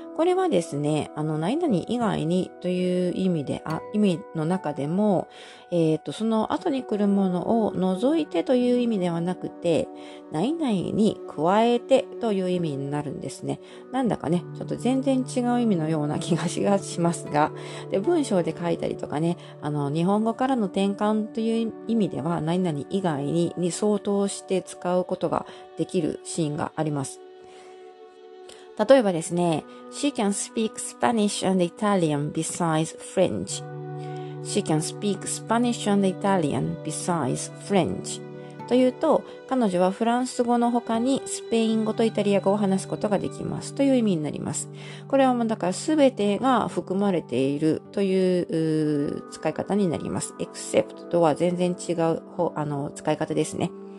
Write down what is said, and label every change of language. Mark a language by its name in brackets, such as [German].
[Japanese] これはですね、何々以外にという意味で、意味の中でも、その後に来るものを除いてという意味ではなくて、何々に加えてという意味になるんですね。なんだかね、ちょっと全然違う意味のような気がしますが、で、文章で書いたりとかね、日本語からの転換という意味では、何々以外にに相当して使うことができるシーンがあります。例えばですね、 [English] She can speak Spanish and Italian besides French. She can speak Spanish and Italian besides French. [Japanese] というと、彼女はフランス語の他にスペイン語とイタリア語を話すことができますという意味になります。これはもうだから全てが含まれているという使い方になります。 Except とは全然違う使い方ですね。